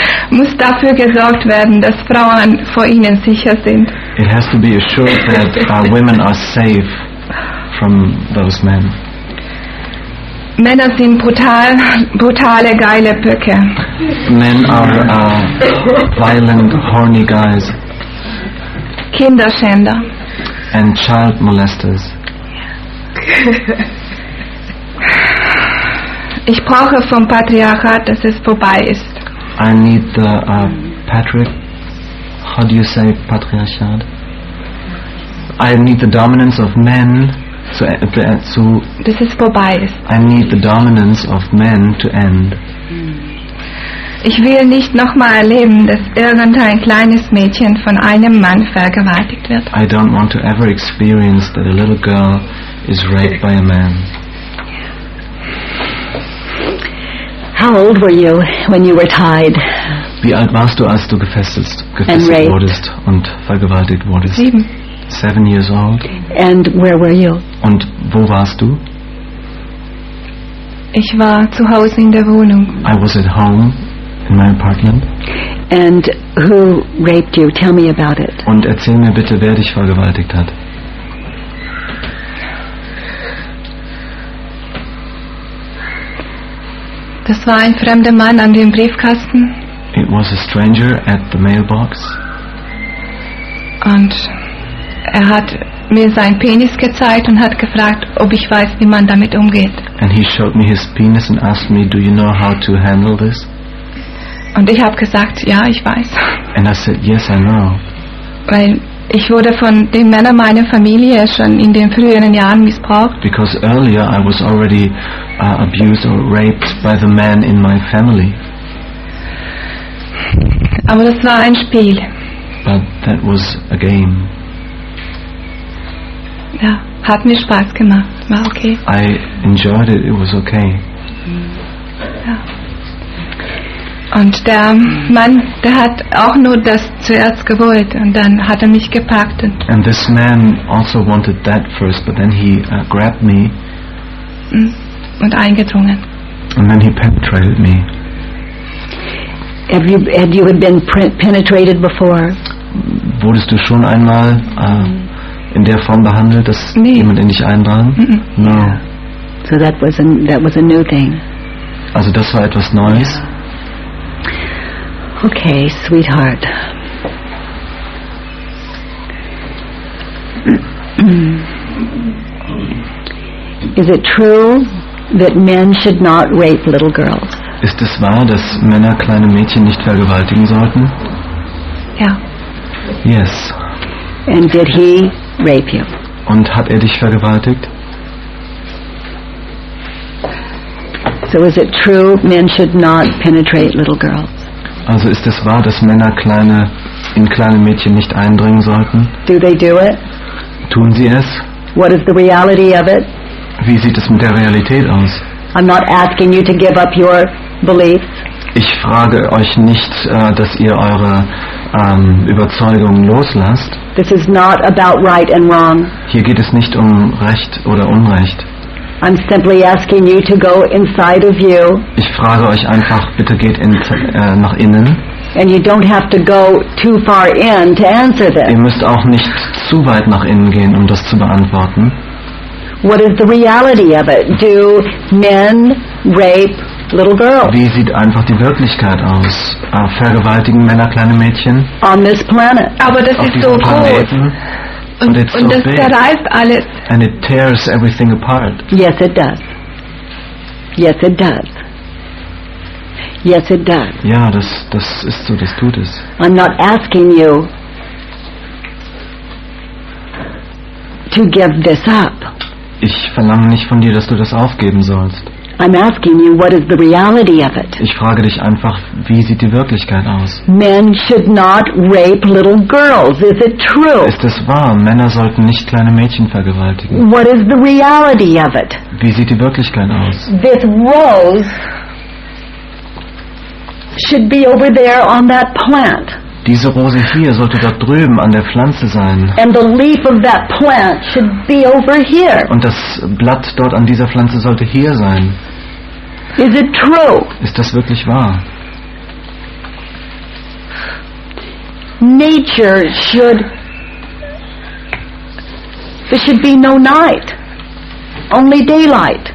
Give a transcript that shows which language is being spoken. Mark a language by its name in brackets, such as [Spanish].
[German] Muss dafür gesorgt werden, dass Frauen vor ihnen sicher sind. [English] It has to be assured that women are safe from those men. [German] Männer sind brutal, brutale, geile Böcke. [English] Men are violent, horny guys. [German] Kinderschänder. [English] And child molesters. [German] Ich brauche vom Patriarchat, dass es vorbei ist. [English] I need the patriarch. How do you say patriarchat? I need the dominance of men to. [German] Dass es vorbei ist. [English] I need the dominance of men to end. [German] Ich will nicht nochmal erleben, dass irgendein kleines Mädchen von einem Mann vergewaltigt wird. [English] I don't want to ever experience that a little girl is raped by a man. How old were you when you were tied? [German] Wie alt warst du, als du gefesselt wurdest und vergewaltigt wurdest? [English] 7 years old. And where were you? [German] Und wo warst du? Ich war zu Hause in der Wohnung. [English] I was at home in my apartment. And who raped you? Tell me about it. [German] Und erzähl mir bitte, wer dich vergewaltigt hat. Das war ein fremder Mann an dem Briefkasten. [English] It was a stranger at the mailbox. [German] Und er hat mir seinen Penis gezeigt und hat gefragt, ob ich weiß, wie man damit umgeht. [English] And he showed me his penis and asked me, do you know how to handle this? [German] Und ich habe gesagt, ja, ich weiß. [English] And I said, yes, I know. [German] Weil ich wurde von den Männern meiner Familie schon in den früheren Jahren missbraucht. [English] Because earlier I was already abused or raped by the man in my family. [German] Aber das war ein Spiel. [English] But that was a game. [German] Ja, hat mir Spaß gemacht. War okay. [English] I enjoyed it. It was okay. [German] Ja. Und der Mann, der hat auch nur das zuerst gewollt und dann hat er mich gepackt. [English] And this man also wanted that first, but then he grabbed me. [German] Und eingedrungen. [English] And then he penetrated me. Had you been penetrated before? [German] Wurdest du schon einmal in der Form behandelt, dass jemand in dich eindrang? [English] No. So that was a new thing. [German] Also das war etwas Neues. [English] Yeah. Okay, sweetheart. Is it true that men should not rape little girls? [German] Ist es wahr, dass Männer kleine Mädchen nicht vergewaltigen sollten? Ja. [English] Yes. And did he rape you? [German] Und hat dich vergewaltigt? [English] So is it true men should not penetrate little girls? [German] Also ist es wahr, dass Männer in kleine Mädchen nicht eindringen sollten? [English] Do they do it? [German] Tun sie es? [English] What is the reality of it? [German] Wie sieht es mit der Realität aus? [English] I'm not asking you to give up your beliefs. [German] Ich frage euch nicht, dass ihr eure Überzeugungen loslasst. [English] This is not about right and wrong. [German] Hier geht es nicht um Recht oder Unrecht. [English] I'm simply asking you to go inside of you. [German] Ich frage euch einfach, bitte geht nach innen. [English] And you don't have to go too far in to answer this. [German] Ihr müsst auch nicht zu weit nach innen gehen, um das zu beantworten. [English] What is the reality of it? Do men rape little girls? [German] Wie sieht einfach die Wirklichkeit aus? Vergewaltigen Männer kleine Mädchen? [English] On this planet. [German] Aber das ist so groß. Und das zerreißt alles. [English] And it tears everything apart. Yes, it does. Yes, it does. Yes, it does. [German] Ja, das ist so, das tut es. [English] I'm not asking you to give this up. [German] Ich verlange nicht von dir, dass du das aufgeben sollst. [English] I'm asking you, what is the reality of it? [German] Ich frage dich einfach, wie sieht die Wirklichkeit aus? [English] Men should not rape little girls. Is it true? [German] Ist es wahr? Männer sollten nicht kleine Mädchen vergewaltigen. [English] What is the reality of it? [German] Wie sieht die Wirklichkeit aus? [English] This rose should be over there on that plant. [German] Diese Rose hier sollte dort drüben an der Pflanze sein. [English] And the leaf of that plant should be over here. [German] Und das Blatt dort an dieser Pflanze sollte hier sein. [English] Is it true? [German] Ist das wirklich wahr? [English] Nature should... There should be no night, only daylight.